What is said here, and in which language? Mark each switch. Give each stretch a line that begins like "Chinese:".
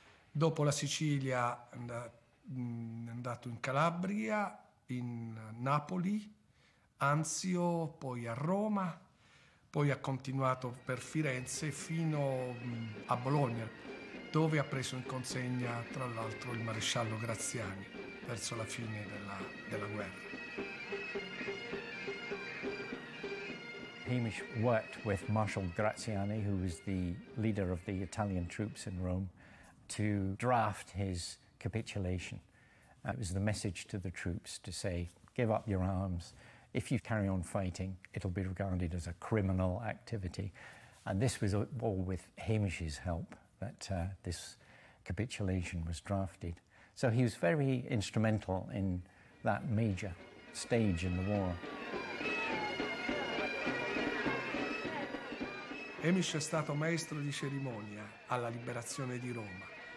Italian: Dopo la Sicilia è andato in Calabria, in Napoli, Anzio, poi a Roma, poi ha continuato per Firenze fino a Bologna, dove ha preso in consegna, tra l'altro, il maresciallo Graziani verso la fine della guerra.
English: Hamish worked with Marshal Graziani, who was the leader of the Italian troops in Rome, to draft his capitulation. It was the message to the troops to say, give up your arms. If you carry on fighting, it'll be regarded as a criminal activity. And this was all with Hamish's help that this capitulation was drafted. So he was very instrumental in that major stage in the war.
Italian: Hamish è stato maestro di cerimonia alla liberazione di Roma.